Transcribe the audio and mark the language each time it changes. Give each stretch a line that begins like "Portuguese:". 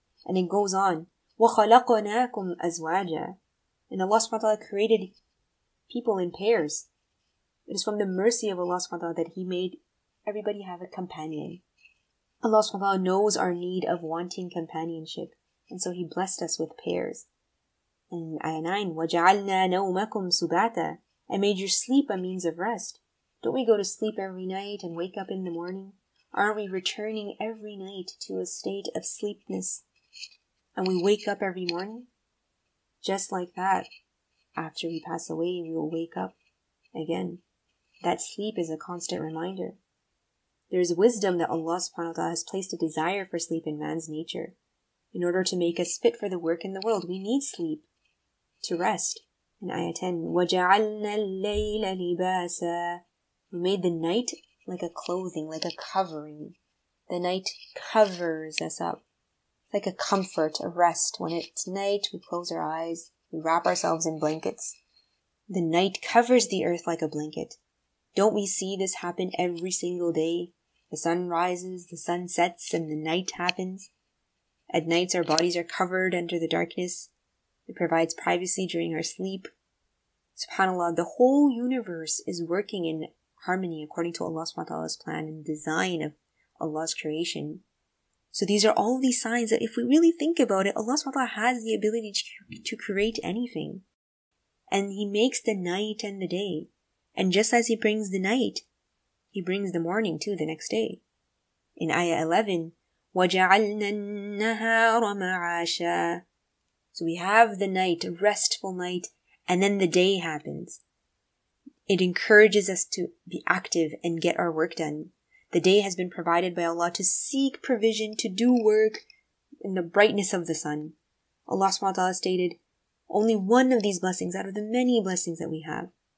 English: And it goes on.
Arabic: وَخَلَقْنَاكُمْ أَزْوَاجًا.
English: And Allah subhanahu wa ta'ala created people in pairs. It is from the mercy of Allah subhanahu wa ta'ala that He made everybody have a companion. Allah subhanahu wa ta'ala knows our need of wanting companionship. And so He blessed us with pairs. And ayah 9,
Arabic: وَجَعَلْنَا نَوْمَكُمْ سُبَاتًا.
English: I made your sleep a means of rest. Don't we go to sleep every night and wake up in the morning? Aren't we returning every night to a state of sleepness? And we wake up every morning? Just like that, after we pass away, we will wake up again. That sleep is a constant reminder. There is wisdom that Allah subhanahu wa ta'ala has placed a desire for sleep in man's nature. In order to make us fit for the work in the world, we need sleep to rest. In ayah 10,
Arabic: وَجَعَلْنَا اللَّيْلَ لِبَاسًا.
English: We made the night like a clothing, like a covering. The night covers us up. Like a comfort, a rest. When it's night, we close our eyes, we wrap ourselves in blankets. The night covers the earth like a blanket. Don't we see this happen every single day? The sun rises, the sun sets, and the night happens. At nights, our bodies are covered under the darkness. It provides privacy during our sleep. SubhanAllah, the whole universe is working in harmony according to Allah subhanahu wa ta'ala's plan and design of Allah's creation. So these are all these signs that if we really think about it, Allah subhanahu wa ta'ala has the ability to create anything. And He makes the night and the day. And just as He brings the night, He brings the morning too the next day. In ayah 11,
Arabic: وَجَعَلْنَا النَّهَارَ مَعَاشًا.
English: So we have the night, a restful night, and then the day happens. It encourages us to be active and get our work done. The day has been provided by Allah to seek provision, to do work in the brightness of the sun. Allah subhanahu wa ta'ala stated, only one of these blessings out of the many blessings that we have.